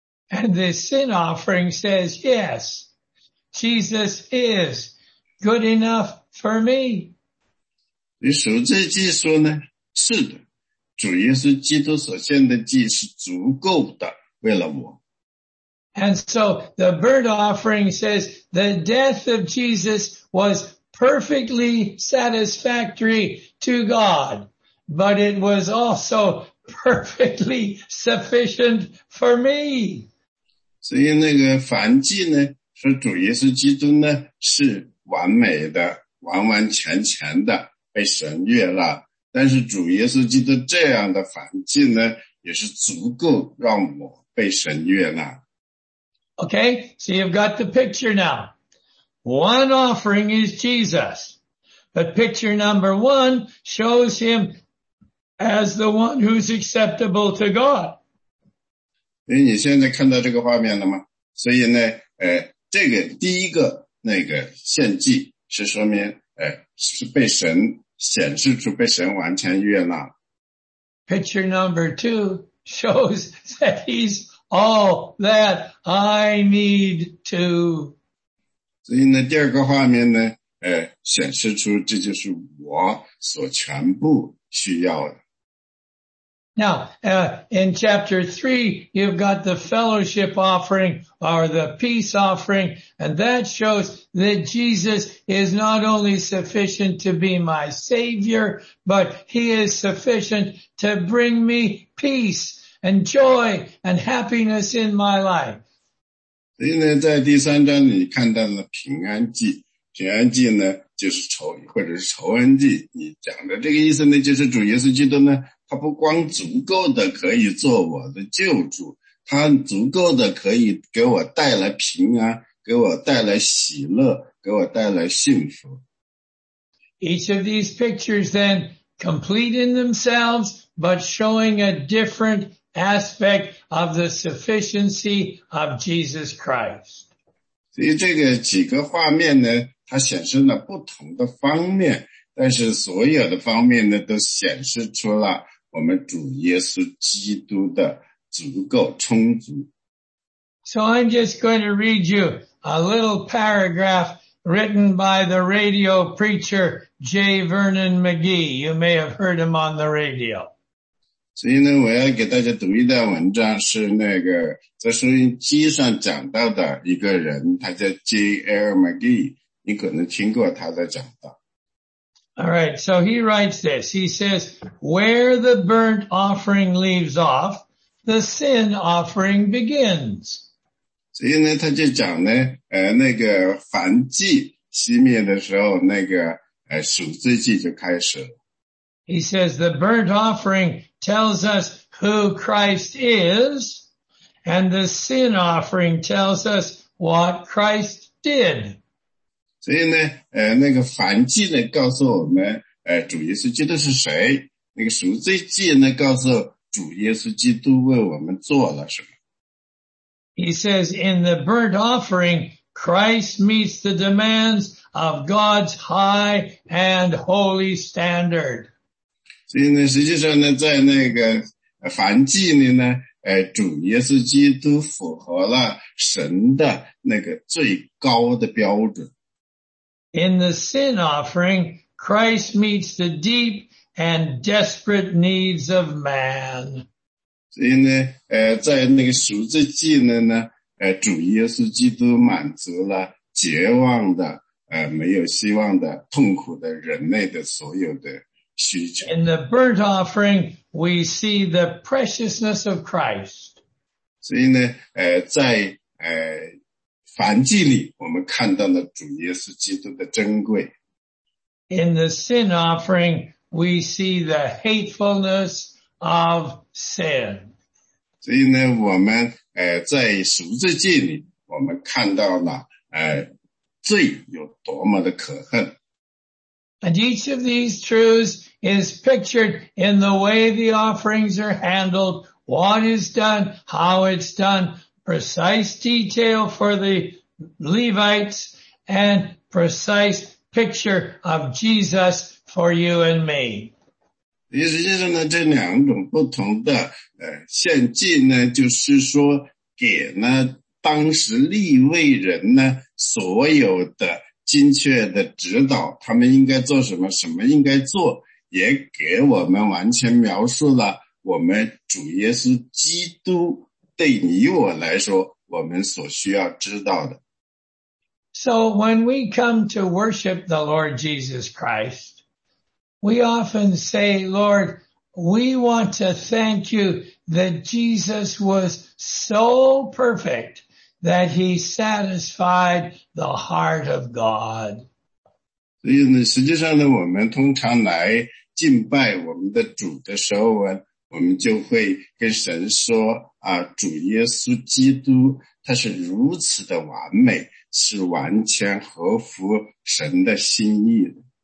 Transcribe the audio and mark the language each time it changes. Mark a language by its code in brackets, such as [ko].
[en] And the sin offering says, yes, Jesus is good enough for me. [zh] 所以赎罪祭说呢，是的，主耶稣基督所献的祭是足够的，为了我。 [en] And so the burnt offering says, the death of Jesus was perfectly satisfactory to God, but it was also perfectly sufficient for me. [zh] 所以那个燔祭呢，说主耶稣基督呢是完美的，完完全全的被神悦纳。但是主耶稣基督这样的燔祭呢，也是足够让我被神悦纳。 [en] Okay, so you've got the picture now. One offering is Jesus, but picture number one shows him as the one who's acceptable to God. [zh] 所以你现在看到这个画面了吗？所以呢，这个第一个那个献祭是说明，是被神显示出被神完全悦纳。 [en] Picture number two shows that he's all that I need to. [zh] 所以呢，第二个画面呢，显示出这就是我所全部需要的。 [en] Now, in chapter 3, you've got the fellowship offering or the peace offering, and that shows that Jesus is not only sufficient to be my savior, but he is sufficient to bring me peace and joy and happiness in my life. [zh] 所以呢，在第三章你看到了平安祭，平安祭呢就是仇或者是仇恩祭。你讲的这个意思呢，就是主耶稣基督呢，他不光足够的可以做我的救主，他足够的可以给我带来平安，给我带来喜乐，给我带来幸福。 [en] Each of these pictures then complete in themselves, but showing a different. Aspect of the sufficiency of Jesus Christ. [zh] 所以这个几个画面呢，它显示了不同的方面，但是所有的方面呢，都显示出了我们主耶稣基督的足够充足。 [en] So I'm just going to read you a little paragraph written by the radio preacher J. Vernon McGee. You may have heard him on the radio. [zh] 所以呢，我要给大家读一段文章，是那个在收音机上讲到的一个人，他叫 J.L. McGee， 你可能听过他的讲道。 [en] All right, so he writes this. He says, "Where the burnt offering leaves off, the sin offering begins." [zh] 所以呢，他就讲呢，那个燔祭熄灭的时候，那个赎罪祭就开始了。 [en] He says the burnt offering tells us who Christ is, and the sin offering tells us what Christ did. [zh] 所以呢，那个燔祭呢，告诉我们，主耶稣基督是谁？那个赎罪祭呢，告诉主耶稣基督为我们做了什么？ [en] He says in the burnt offering, Christ meets the demands of God's high and holy standard. [zh] 所以呢，实际上呢，在那个燔祭里呢，主耶稣基督符合了神的那个最高的标准。 [en] In the sin offering, Christ meets the deep and desperate needs of man. [zh] 所以呢，在那个赎罪祭呢，主耶稣基督满足了绝望的、没有希望的、痛苦的人类的所有的需求。 [en] In the burnt offering, we see the preciousness of Christ. [zh] 所以呢，在燔祭里我们看到了主耶稣基督的珍贵。 [en] In the sin offering, we see the hatefulness of sin. [zh] 所以呢，我们在赎罪祭里我们看到了罪有多么的可恨。 [en] And each of these truths is pictured in the way the offerings are handled, what is done, how it's done, precise detail for the Levites, and precise picture of Jesus for you and me. [zh] 实际上呢，这两种不同的献祭呢，就是说给呢当时立位人呢所有的精确的指导，他们应该做什么，什么应该做，也给我们完全描述了我们主耶稣基督对你我来说我们所需要知道的。 [en] So when we come to worship the Lord Jesus Christ, we often say, Lord, we want to thank you that Jesus was so perfect that he satisfied the heart of God. [zh] 所以呢，实际上呢，我们通常来敬拜我们的主的时候啊，我们就会跟神说啊，主耶稣基督他是如此的完美，是完全合乎神的心意的。